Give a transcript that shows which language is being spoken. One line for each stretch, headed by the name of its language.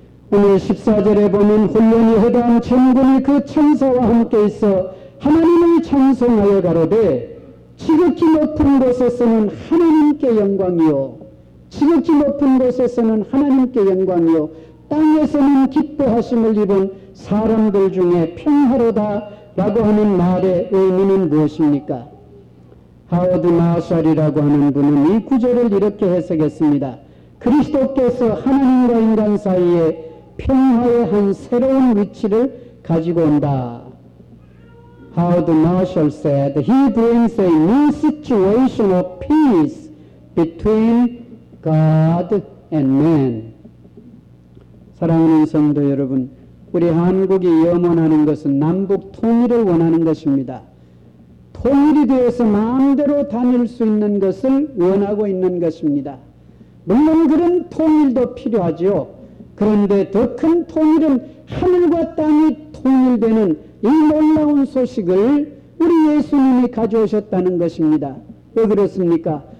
Korean: 오늘 14절에 보면 훈련이 허다한 천군이 그 천사와 함께 있어 하나님을 찬송하여 가로되 지극히 높은 곳에서는 하나님께 영광이요, 지극히 높은 곳에서는 하나님께 영광이요, 땅에서는 기뻐하심을 입은 사람들 중에 평화로다 라고 하는 말의 의미는 무엇입니까? 하워드 마샬이라고 하는 분은 이 구절을 이렇게 해석했습니다. 그리스도께서 하나님과 인간 사이에 평화의 한 새로운 위치를 가지고 온다.
English: Howard Marshall said, He brings a new situation of peace between God and man.
Korean: 사랑하는 성도 여러분, 우리 한국이 염원하는 것은 남북 통일을 원하는 것입니다. 통일이 되어서 마음대로 다닐 수 있는 것을 원하고 있는 것입니다. 물론 그런 통일도 필요하죠. 그런데 더 큰 통일은 하늘과 땅이 통일되는 이 놀라운 소식을 우리 예수님이 가져오셨다는 것입니다. 왜 그렇습니까?